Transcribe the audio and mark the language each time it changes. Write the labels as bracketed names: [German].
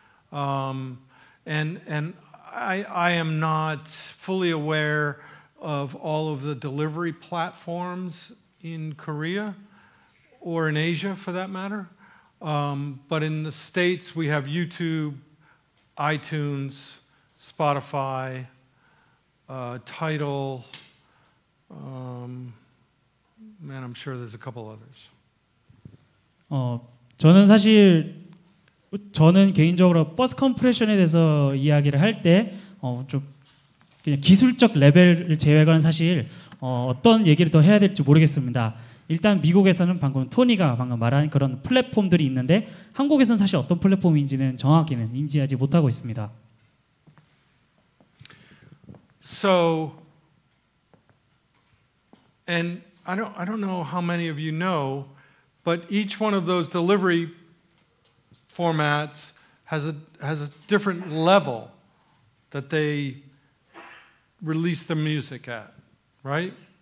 [English] And I am not fully aware of all of the delivery platforms in Korea or in Asia for that matter. But in the States we have YouTube, iTunes, Spotify, Tidal, and I'm sure there's a couple others. [Korean] 저는 사실 저는 개인적으로 버스 컴프레션에 대해서 이야기를 할 때 좀 그냥 기술적 레벨을 제외하고는 사실 어떤 얘기를 더 해야 될지 모르겠습니다. 일단 미국에서는 방금 토니가 방금 말한 그런 플랫폼들이 있는데 한국에서는 사실 어떤 플랫폼인지는 정확히는 인지하지 못하고 있습니다. [English] So and I don't know how many of you know, but each one of those delivery formats has a different level that they release the music at, right?